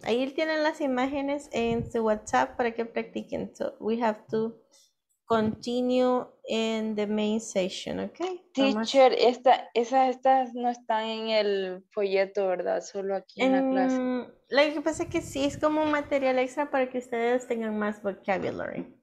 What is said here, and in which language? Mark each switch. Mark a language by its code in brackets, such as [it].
[es] Ahí tienen las imágenes en su WhatsApp para que practiquen. [en] So we have to continue in the main session, okay? [es] Teacher, estas no están en el folleto, ¿verdad? Solo aquí en la clase. Lo que pasa es que sí, es como un material extra para que ustedes tengan más vocabulary.